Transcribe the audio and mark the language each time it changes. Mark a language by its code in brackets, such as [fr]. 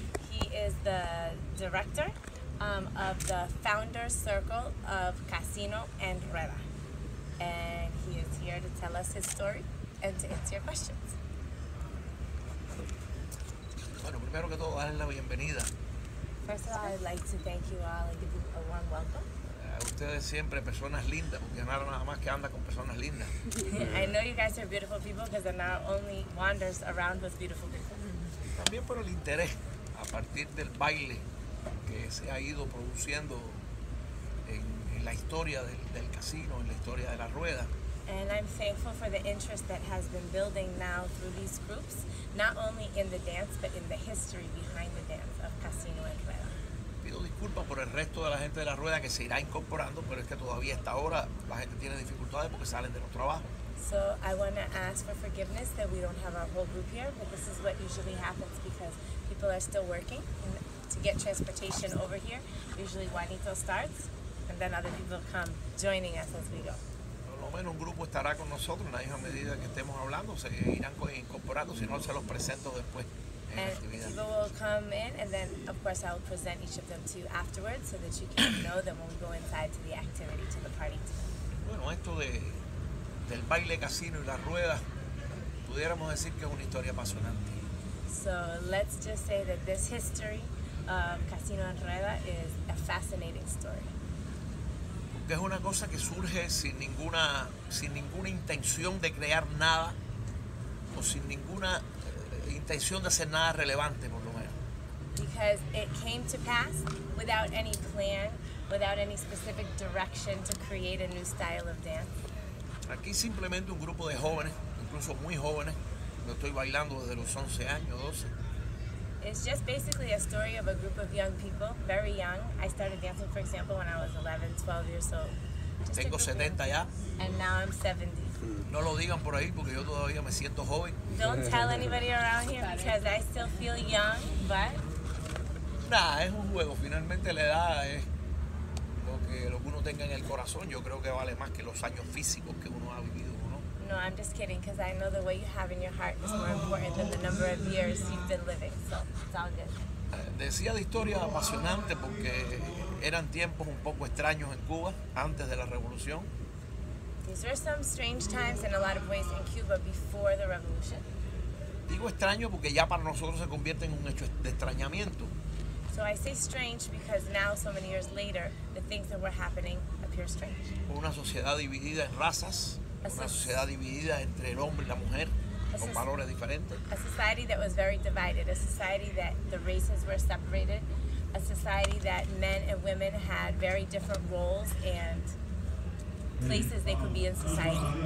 [en] He is the director of the founder circle of Casino and Rueda. And he is here to tell us his story and to answer your questions. [es] Bueno, primero que todo, darle la bienvenida. [en] First of all, I'd like to thank you all and give you a warm welcome. [es] Ustedes siempre personas lindas, porque Anara nada más que anda con personas lindas. [en] I know you guys are beautiful people because Anara only wanders around with beautiful people. [es] También por el interés a partir del baile que se ha ido produciendo en la historia del casino, en la historia de la rueda. [en] And I'm thankful for the interest that has been building now through these groups, not only in the dance but in the history behind the dance of Casino and Rueda. [es] Pido disculpas por el resto de la gente de la rueda que se irá incorporando, pero es que todavía hasta ahora la gente tiene dificultades porque salen de los trabajos. [en] So I want to ask for forgiveness that we don't have our whole group here, but this is what usually happens because people are still working and to get transportation over here. Usually Juanito starts and then other people come joining us as we go. [es] Por lo menos un grupo estará con nosotros en la misma medida que estemos hablando, se irán incorporando, si no se los presento después. [en] And people will come in, and then of course I will present each of them to you afterwards, so that you can know them when we go inside to the activity, to the party. [es] Bueno, esto del baile casino y la rueda, pudiéramos decir que es una historia apasionante. [en] So let's just say that this history of Casino and Rueda is a fascinating story. [es] Porque es una cosa que surge sin ninguna intención de crear nada o sin ninguna intención de hacer nada relevante, por lo menos. [en] Because it came to pass without any plan, without any specific direction to create a new style of dance. [es] Aquí simplemente un grupo de jóvenes, incluso muy jóvenes, lo estoy bailando desde los 11 años, 12. [en] It's just basically a story of a group of young people, very young. I started dancing, for example, when I was 11, 12 years old. [es] Just tengo 70 ya. [en] And now I'm 70. [es] No lo digan por ahí porque yo todavía me siento joven. [en] Don't tell anybody around here because I still feel young, but... [es] Nah, es un juego. Finalmente la edad es lo que uno tenga en el corazón. Yo creo que vale más que los años físicos que uno ha vivido, ¿no? [en] No, I'm just kidding because I know the way you have in your heart is more important than the number of years you've been living. So, it's all good. [es] Decía de historias apasionantes porque eran tiempos un poco extraños en Cuba antes de la revolución. [en] These were some strange times in a lot of ways in Cuba before the revolution. [es] Digo extraño porque ya para nosotros se convierte en un hecho de extrañamiento. [en] So I say strange because now, so many years later, the things that were happening appear strange. [es] Una sociedad dividida en razas, una sociedad dividida entre el hombre y la mujer, con valores diferentes. [en] A society that was very divided, a society that the races were separated, a society that men and women had very different roles and places they could be in society.